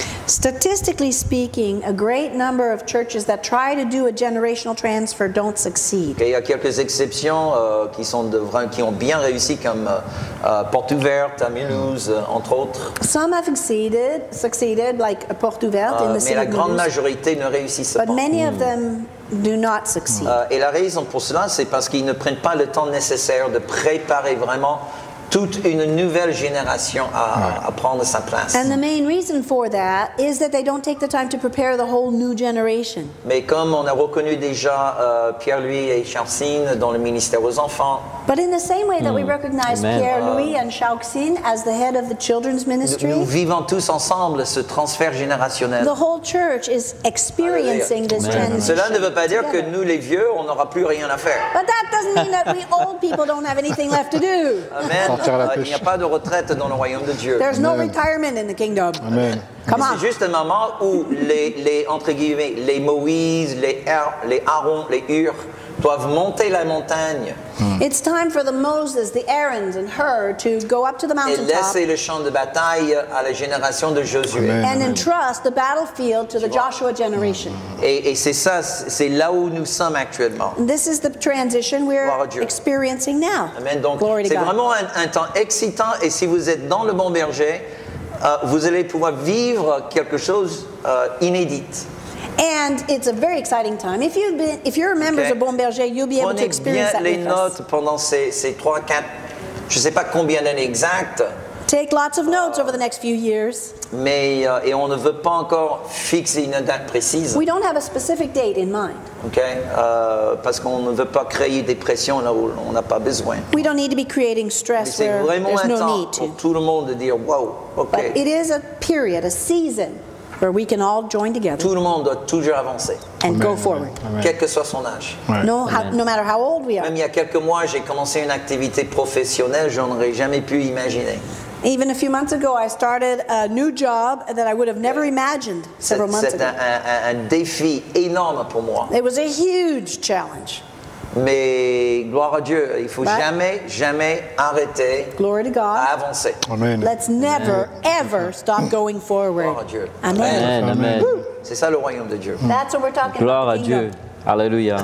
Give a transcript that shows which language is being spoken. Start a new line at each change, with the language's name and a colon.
English: Statistically speaking, a great number of churches that try to do a generational transfer don't succeed.
French: Il y a quelques exceptions qui ont bien réussi, comme Porte Ouverte, à Mulhouse, entre autres.
English: Some have succeeded like a Porte Ouverte in the city.
French: Mais la grande majorité ne réussissent pas.
English: But many of them do not succeed.
French: Et la raison pour cela, c'est parce qu'ils ne prennent pas le temps nécessaire de préparer vraiment toute une nouvelle génération à prendre sa place.
English: And the main reason for that is that they don't take the time to prepare the whole new generation.
French: Mais comme on a reconnu déjà Pierre-Louis et Charcine dans le ministère aux enfants.
English: But in the same way that we recognize Pierre-Louis and Charcine as the head of the children's ministry.
French: Nous vivons tous ensemble ce transfert générationnel.
English: The whole church is experiencing this transition.
French: Cela ne veut pas dire que nous les vieux, on n'aura plus rien à faire.
English: But that doesn't mean that we old people don't have anything left to do. Amen.
French: Il n'y a pas de retraite dans le royaume de Dieu.
English: There's no retirement in the kingdom. Amen. Come on.
French: C'est juste un moment où les entre guillemets les Moïse, les Aaron, les Hur doivent monter la montagne.
English: It's time for the Moses, the Aaron, and Hur to go up to the mountaintop.
French: Et laisser le champ de bataille à la génération de Josué.
English: Amen. And entrust the battlefield to the Joshua generation.
French: Et c'est ça, c'est là où nous sommes actuellement.
English: This is the transition we're experiencing now. Amen. Donc, glory to God.
French: C'est vraiment un temps excitant, et si vous êtes dans le bon berger, vous allez pouvoir vivre quelque chose inédite.
English: And it's a very exciting time. If you've been, if you're a member of Bon Berger, you'll be
French: Prenez
English: able to experience
French: bien les
English: with
French: notes
English: us.
French: Pendant ces 3, 4, je sais pas combien d'années exactes.
English: Take lots of notes over the next few years.
French: Mais et on ne veut pas encore fixer une date précise.
English: We don't have a specific date in mind.
French: Okay, parce qu'on ne veut pas créer des pressions là où on n'a pas besoin.
English: We don't need to be creating stress where there's no need to.
French: Mais c'est vraiment un temps pour tout le monde de dire wow, okay.
English: But it is a period, a season where we can all join together.
French: Tout le monde doit toujours avancer.
English: And Amen. Go forward.
French: Amen. Quel que soit son âge.
English: Ouais. No matter how old we are.
French: Même il y a quelques mois, j'ai commencé une activité professionnelle, je n'aurais jamais pu imaginer.
English: Even a few months ago, I started a new job that I would have never imagined several months ago.
French: Un défi énorme pour moi.
English: It was a huge challenge.
French: Mais gloire à Dieu, il faut jamais arrêter.
English: Glory to God.
French: À avancer.
English: Amen. Let's never ever stop going forward.
French: Gloire à Dieu. Amen. C'est ça le royaume de Dieu.
English: That's what we're talking
French: gloire
English: about.
French: Gloire à Dieu. Alléluia.